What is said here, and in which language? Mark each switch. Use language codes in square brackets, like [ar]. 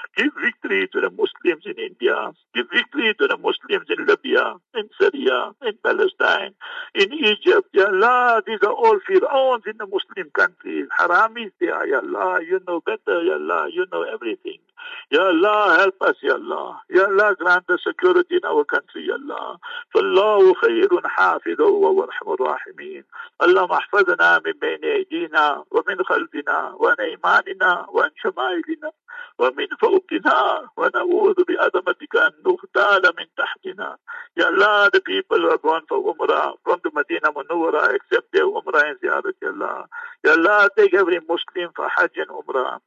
[en] Give victory to the Muslims in India. Give victory to the Muslims in Libya, in Syria, in Palestine, in Egypt, Ya Allah. These are all Fir'auns in the Muslim countries. Haramis, Ya Allah, you know better, Ya Allah, you know everything. Ya Allah, help us, Ya Allah. Ya Allah, grant us security in our country, Ya Allah. [ar] فالله خير حافظ وهو أرحم الراحمين. اللهم احفظنا من بين أيدينا ومن خلفنا وعن أيماننا وعن شمائلنا ومن فوقنا ونعوذ بعظمتك أن نغتال من تحتنا. [en] Ya Allah, the people who are going for Umrah from the Medina Munawwara accept their Umrah in Ziyarat, Ya Allah. Ya Allah, take every Muslim for Hajj and Umrah.